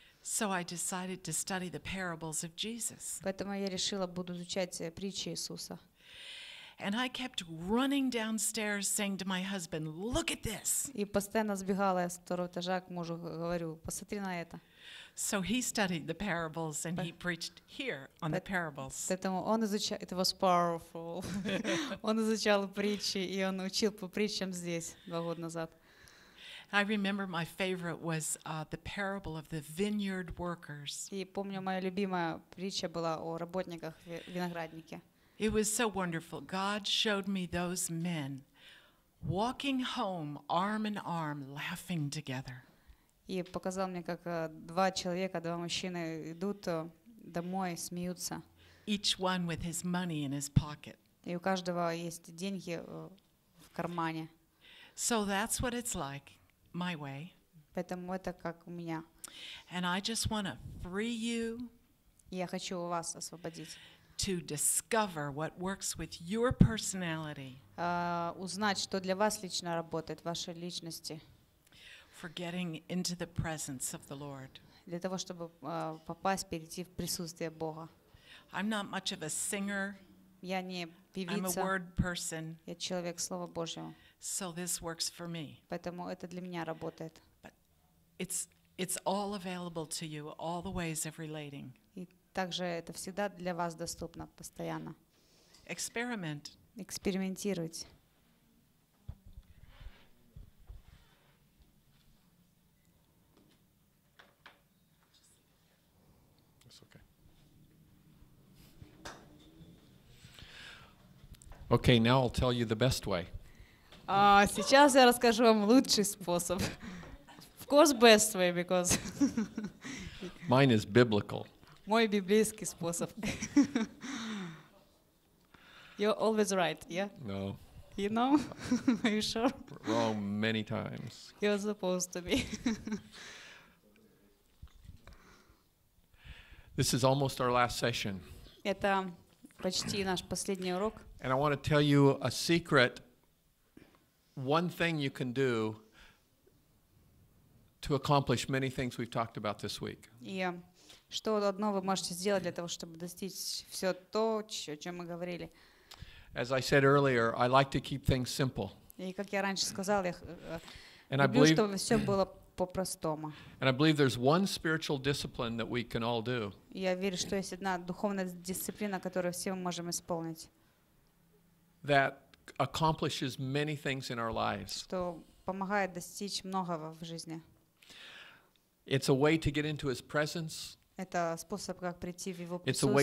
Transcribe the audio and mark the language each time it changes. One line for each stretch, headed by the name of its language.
English: So I decided to study the parables of Jesus.
Russian: Поэтому я решила буду изучать притчи Иисуса.
English: And I kept running downstairs saying to my husband, "Look at this."
Russian: И постоянно сбегала я с второго этажа к мужу, говорю: "Посмотри на это."
English: So he studied the parables and he preached here on the parables.
Russian: Поэтому он изучал,
English: it was powerful.
Russian: Он изучал притчи и он учил по притчам здесь 2 года назад.
English: I remember my favorite was the parable of the vineyard workers.
Russian: И помню, моя любимая притча была о работниках виноградники.
English: It was so wonderful. God showed me those men walking home arm in arm laughing together.
Russian: И показал мне, как два человека, два мужчины идут домой, смеются.
English: Each one with his money in his pocket.
Russian: И у каждого есть деньги в кармане.
English: So that's what it's like, my way.
Russian: Поэтому это как у меня.
English: And I just want to free you.
Russian: Я хочу вас освободить.
English: To discover what works with your personality.
Russian: Узнать, что для вас лично работает, вашей личности.
English: For getting into the presence of the Lord.
Russian: Для того, чтобы попасть, перейти в присутствие Бога.
English: I'm not much of a singer.
Russian: Я не певица.
English: I'm a word person.
Russian: Я человек Слова Божьего.
English: So this works for me.
Russian: Поэтому это для меня работает.
English: But it's all available to you, all the ways of relating.
Russian: И также это всегда для вас доступно постоянно.
English: Experiment.
Russian: Экспериментировать.
English: Okay, now I'll tell you the best way.
Russian: Сейчас я расскажу вам лучший способ.
English: Of course, best way, because... Mine is biblical.
Russian: Мой библейский способ.
English: You're always right, yeah? No. You know? Are you sure? Wrong many times. You're supposed to be. This is almost our last session.
Russian: Это... Почти наш последний урок.
English: And I want to tell you a secret, one thing you can do to accomplish many things we've talked about this week.
Russian: Что одно вы можете сделать для того, чтобы достичь все то, о чем мы говорили.
English: As I said earlier, I like to keep things simple.
Russian: И как я раньше сказал, я люблю, чтобы все было по-простому.
English: And I believe there's one spiritual discipline that we can all do.
Russian: Я верю, что есть одна духовная дисциплина, которую все мы можем исполнить.
English: that accomplishes many things in our lives.
Russian: Что помогает достичь многого в жизни.
English: It's a way to get into His presence.
Russian: Это способ как прийти в Его присутствие.